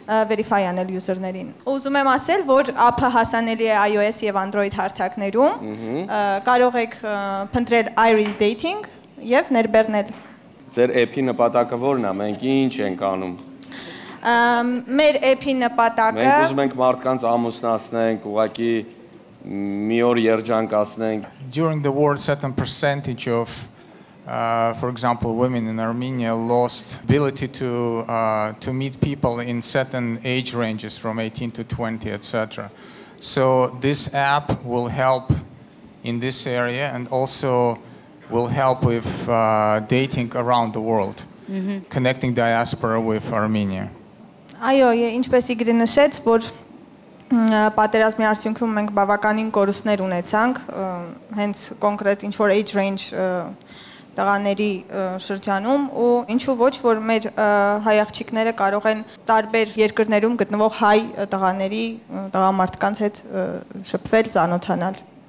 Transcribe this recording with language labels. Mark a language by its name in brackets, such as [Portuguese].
[Armenian] verify անել user-ներին։ Ուզում եմ ասել, որ app-ը հասանելի է iOS եւ Android հարթակներում։ Կարող եք փնտրել Iris Dating եւ ներբեռնել։ Ձեր app-ի նպատակը ո՞րն է, մենք ինչ ենք անում։ Մեր app-ի նպատակը մենք ուզում ենք մարդկանց ամուսնացնենք, ուղղակի մի օր երջանկացնենք։ [English] During the world certain percentage of for example women in Armenia lost ability to meet people in certain age ranges from 18 to 20 etc. So this app will help in this area and also will help with dating around the world. Mm-hmm. Connecting diaspora with Armenia. [Armenian] Այո, ինչպես իգրի նշեց, որ պատերազմի արդյունքում մենք բավականին կորուստներ ունեցանք, հենց կոնկրետ ինչ որ age range տղաների շրջանում, ու ինչու ոչ, որ մեր հայ աղջիկները կարող են տարբեր երկրներում գտնվող հայ տղաների, տղամարդկանց հետ շփվել, ծանոթանալ։